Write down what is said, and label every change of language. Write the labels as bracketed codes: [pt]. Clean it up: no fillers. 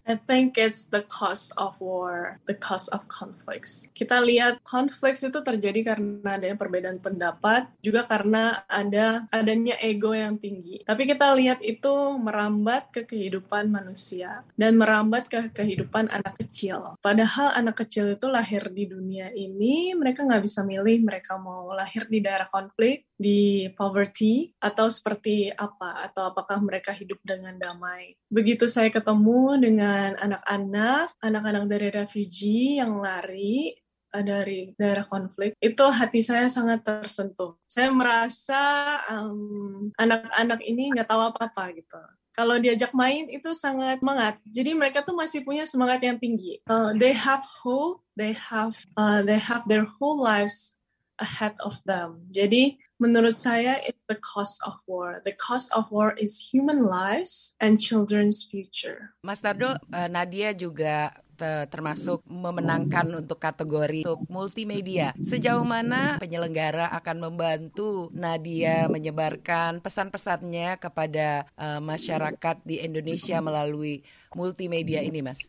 [en] I think it's the cause of war, the cause of conflicts. [id] Kita lihat conflicts itu terjadi karena ada perbedaan pendapat, juga karena adanya ego yang tinggi. Tapi kita lihat itu merambat ke kehidupan manusia dan merambat ke kehidupan anak kecil. Padahal anak kecil itu lahir di dunia ini, mereka nggak bisa milih mereka mau lahir di daerah konflik, di poverty, atau seperti apa, atau apakah mereka hidup dengan damai. Begitu saya ketemu dengan anak-anak dari refugee yang lari dari daerah konflik, itu hati saya sangat tersentuh. Saya merasa anak-anak ini nggak tahu apa-apa gitu. Kalau diajak main itu sangat semangat. Jadi mereka tuh masih punya semangat yang tinggi. [en] They have hope. They have their whole lives ahead of them. [id] Jadi menurut saya [en] it's the cost of war. The cost of war is human lives and children's future. [id] Mas Dardo, Nadia juga termasuk memenangkan untuk kategori untuk multimedia. Sejauh mana penyelenggara akan membantu Nadia menyebarkan pesan-pesannya kepada masyarakat di Indonesia melalui multimedia ini, Mas?